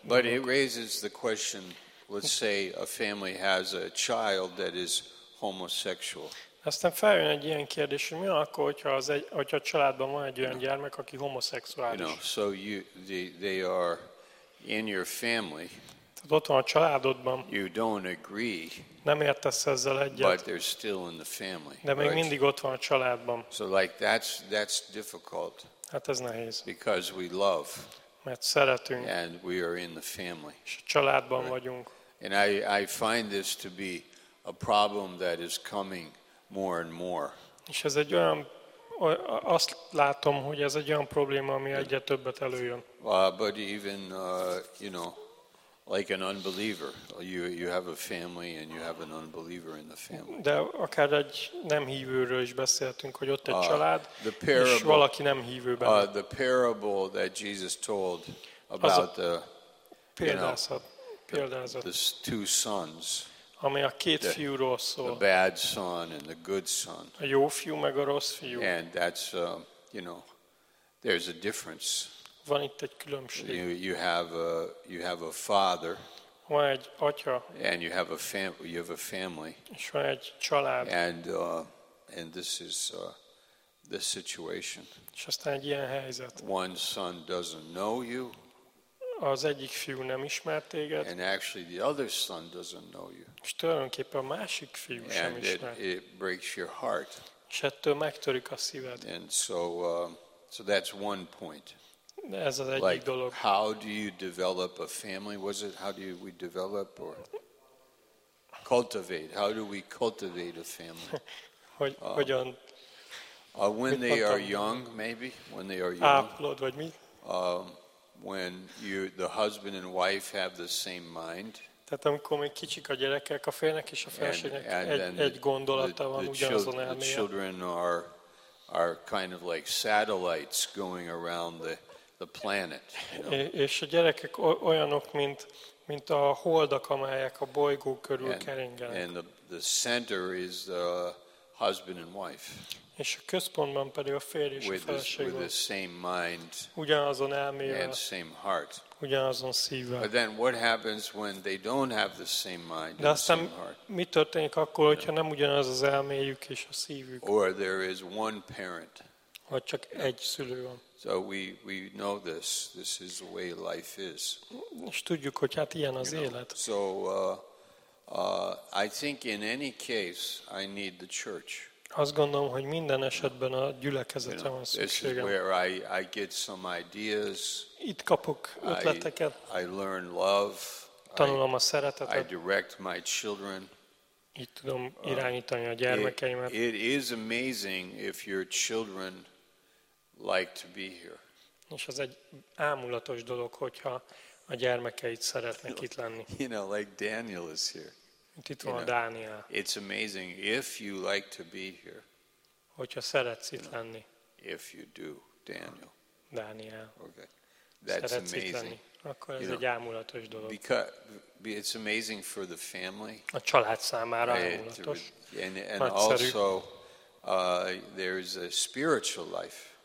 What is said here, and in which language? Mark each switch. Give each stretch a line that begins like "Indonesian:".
English: but dolog. It raises the question, let's say a family has a child that is homosexual.
Hungarian: Aztán feljön egy ilyen kérdés, hogy mi akkor, hogyha az egy, hogyha a családban van egy olyan gyermek, aki homoszexuális.
English: You know, so you, they are in your family.
Hungarian: Tehát ott van a családodban.
English: You don't agree.
Hungarian: Nem értesz ezzel egyet.
English: But they're still in the family.
Hungarian: De még mindig ott van a családban.
English: So like that's difficult.
Hungarian: Hát ez nehéz.
English: Because we love.
Hungarian: Mert szeretünk.
English: And we are in the family.
Hungarian: És a családban vagyunk.
English: And I find this to be a problem that is coming more and more.
Hungarian: És ez egy olyan, azt látom, hogy ez egy olyan probléma, ami egyre többet előjön.
English: But even you know, like an unbeliever, you have a family and you have an unbeliever in the family.
Hungarian: De akár egy nem hívőről is beszéltünk, hogy ott egy család, parable, és valaki nem hívő benne.
English: The parable that Jesus told about the
Hungarian: példázat,
English: the two sons.
Hungarian: Ami a két fiúról szól.
English: The bad son and the good son.
Hungarian: A jó fiú meg a rossz fiú.
English: And that's you know, there's a difference.
Hungarian: Van itt egy különbség.
English: You have a father.
Hungarian: Van egy atya.
English: And you have a family.
Hungarian: És van egy család.
English: And this is the situation.
Hungarian: És aztán egy ilyen helyzet.
English: One son doesn't know you.
Hungarian: Az egyik fiú nem ismer téged.
English: And actually the other son doesn't know you.
Hungarian: És tulajdonképpen a másik fiú sem
English: and
Hungarian: ismer.
English: It breaks your heart.
Hungarian: És ettől megtörik a szíved.
English: And so that's one point.
Hungarian: Ez az egyik
English: like,
Hungarian: dolog.
English: How do you develop a family? Was it how do we develop or cultivate? How do we cultivate a family?
Hungarian: Hogyan?
English: When they are young, maybe. When they are young.
Hungarian: Áplod, vagy mi?
English: When you the husband and wife have the same mind.
Hungarian: Tehát amikor még kicsik a gyerekek, a férjnek és a feleségnek egy gondolata van, ugyanazon elmélye.
English: The children are kind of like satellites going around the planet.
Hungarian: És a gyerekek olyanok, mint a holdak, amelyek a bolygó körül keringenek.
English: And the center is the husband and wife.
Hungarian: És a központban pedig a férj és
English: with
Hungarian: a feleség
English: with the same mind
Hungarian: ugyanazon elmélye,
English: and same heart.
Hungarian: Ugyanazon szívvel.
English: But then what happens when they don't have the same mind
Hungarian: de
English: and same heart?
Hungarian: Mi történik akkor, hogyha yeah. nem ugyanaz az elméjük és a szívük?
English: Or there is one parent.
Hungarian: Vagy csak egy szülő van.
English: So we know this. This is the way life is.
Hungarian: És tudjuk, hogy hát ilyen az you élet.
English: Know? So I think in any case I need the church.
Hungarian: Azt gondolom, hogy minden esetben a gyülekezetre van szükségem.
English: Where I get some ideas.
Hungarian: Itt kapok ötleteket.
English: I learn love.
Hungarian: Tanulom a szeretetet.
English: I direct my children.
Hungarian: Itt tudom irányítani a gyermekeimet.
English: It is amazing if your children like to be here.
Hungarian: És az egy ámulatos dolog, hogyha a gyermekeid szeretnek itt lenni.
English: You know, like Daniel is here.
Hungarian: Itt van Dániel.
English: It's amazing if you like to be here.
Hungarian: Hogyha szeretsz itt lenni.
English: If you do, Daniel.
Hungarian: Dániel.
English: Okay. That's amazing.
Hungarian: Akkor ez egy ámulatos dolog.
English: Because it's amazing for the family.
Hungarian: A család számára ámulatos.
English: And also there is a spiritual life.